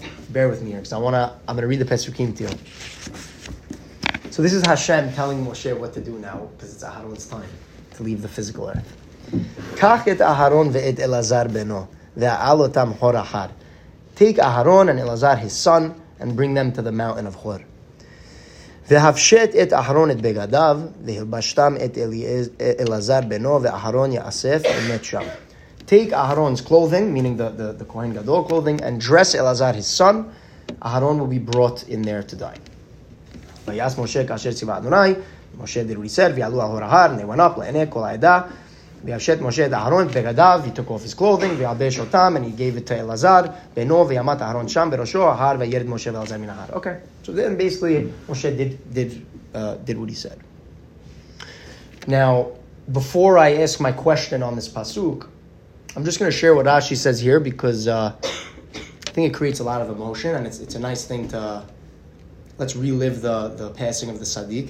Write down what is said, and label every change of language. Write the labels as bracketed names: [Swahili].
[English] Bear with me here, because I'm gonna read the pesukim to you. So this is Hashem telling Moshe what to do now, because it's Aharon's time to leave the physical earth. [Hebrew] Kach et Aharon ve'et Elazar beno ve'al otam hor achar. [English] Take Aharon and Elazar his son and bring them to the mountain of Hor. [Hebrew] והפשט את אהרון את בגדיו, והלבשתם את אלעזר בנו, ואהרון יאסף ומת שם. [English] Take Aharon's clothing, meaning the Kohen Gadol clothing, and dress Elazar his son. Aharon will be brought in there to die. [Hebrew] ויעש משה כאשר ציווה אדוני, משה דרויסר, ויעלו על הור ההר, [English] and they went up, [Hebrew] לעיני כל העדה, והפשט משה את אהרון את בגדיו, [English] he took off his clothing, [Hebrew] ויעבש אותם, [English] and he gave it to [Hebrew] אלעזר בנו, וימת אהרון שם בראשו, ההר, וירד משה ואלעזר מן ההר. [English] Okay. So then basically, Moshe did what he said. Now, before I ask my question on this pasuk, I'm just going to share what Rashi says here because I think it creates a lot of emotion, and it's a nice thing to let's relive the passing of the Tzaddik.